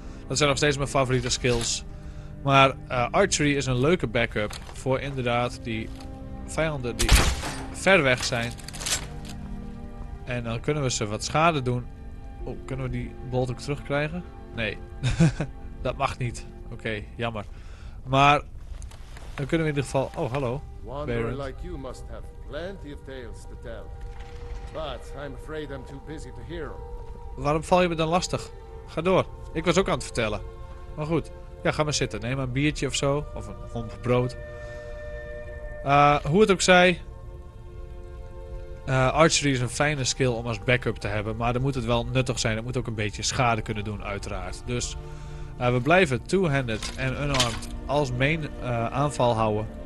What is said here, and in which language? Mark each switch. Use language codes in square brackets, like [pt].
[nl] Dat zijn nog steeds mijn favoriete skills. Maar archery is een leuke backup voor inderdaad die vijanden die ver weg zijn. En dan kunnen we ze wat schade doen. Kunnen we die bolt ook terugkrijgen? Nee. Dat mag niet. Jammer. Maar dan kunnen we in ieder geval... hallo. [en] Wanderer like you must have plenty of tales to tell. But I'm afraid I'm too busy to hear them. [nl] Waarom val je me dan lastig? Ga door. Ik was ook aan het vertellen. Maar goed. Ja, ga maar zitten. Neem een biertje of zo. Of een homp brood. Hoe het ook zij. Archery is een fijne skill om als backup te hebben. Maar dan moet het wel nuttig zijn. Het moet ook een beetje schade kunnen doen, uiteraard. Dus we blijven two-handed en unarmed als main aanval houden.